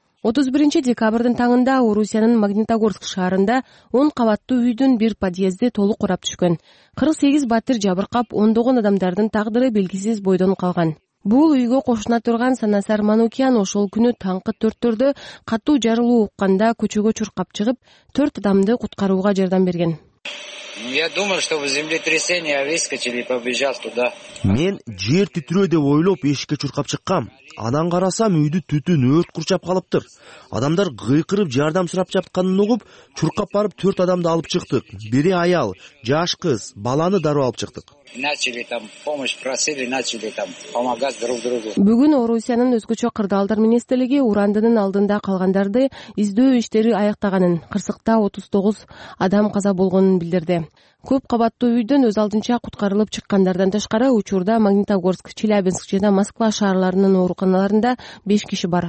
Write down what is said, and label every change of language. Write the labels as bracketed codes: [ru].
[ky] 31 декабрдын таңында Орусиянын Магнитогорск шаарында 10 кабаттуу үйдүн бир подъезди толук курап түшкөн. 48 батир жабыркап, 10 адамдардын тагдыры белгисиз бойдон калган. Бул үйгө кошуна турган Санасар Манукиян ошол күнү таңкы 4:00 катуу жарылуу укканда көчөгө чуркап чыгып, 4 адамды куткарууга жардам берген. [ru] Я думал, что вы землетрясение, а выскочили и побежал туда. [ky] Мен жер титирөө деп ойлоп эшикке чуркап чыккам. Анан карасам үйдү түтүн өрт курчап калыптыр. Адамдар кыйкырып жардам сурап жатканын угуп, чуркап барып 4 адамды алып чыктык. Бири аял, жаш кыз, баланы дароо алып чыктык. [ru] Начали там помощь просили, начали там помогать друг другу. [ky] Бүгүн Орусиянын өзгөчө кырдаалдар министрлиги урандынын алдында калгандарды издөө иштери аяктаганын, кырсыкта 39 адам каза болгонун билдирди. Көп кабаттуу үйдөн өз алдынча куткарылып чыккандардан тышкары учурда Магнитогорск, Челябинск жана Москва шаарларынын ооруканаларында 5 киши бар.